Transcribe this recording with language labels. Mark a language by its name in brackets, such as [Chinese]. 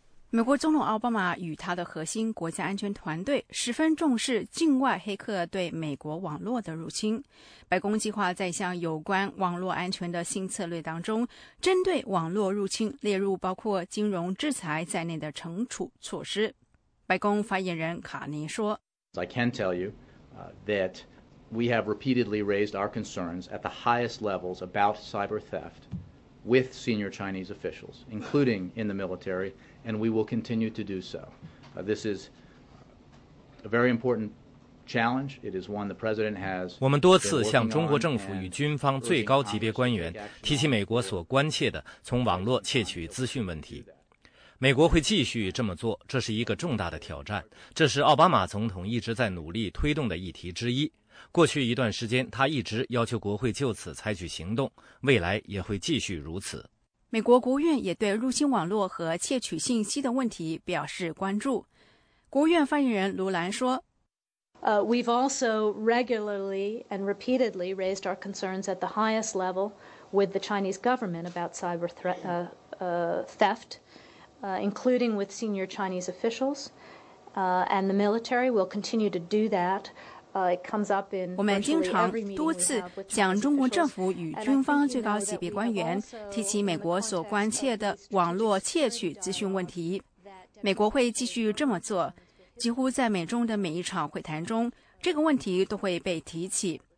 [Chinese] 美国总统奥巴马与他的核心国家安全团队十分重视境外黑客对美国网络的入侵。白宫计划在一项有关网络安全的新策略当中，针对网络入侵列入包括金融制裁在内的惩处措施。白宫发言人卡尼说， [English] I can tell you that we have repeatedly raised our concerns at the highest levels about cyber theft with senior Chinese officials, including in the military, and we will continue to do so. This is a very important challenge. It is one the president has. [Chinese] 我们多次向中国政府与军方最高级别官员提起美国所关切的从网络窃取资讯问题。美国会继续这么做，这是一个重大的挑战，这是奥巴马总统一直在努力推动的议题之一。过去一段时间，他一直要求国会就此采取行动，未来也会继续如此。美国国务院也对入侵网络和窃取信息的问题表示关注。国务院发言人卢兰说， [English] We've also regularly and repeatedly raised our concerns at the highest level with the Chinese government about cyber theft. Including with senior Chinese officials, and the military will continue to do that. It comes up in. [Chinese] 我们经常多次向中国政府与军方最高级别官员提起美国所关切的网络窃取资讯问题。美国会继续这么做，几乎在美中的每一场会谈中，这个问题都会被提起。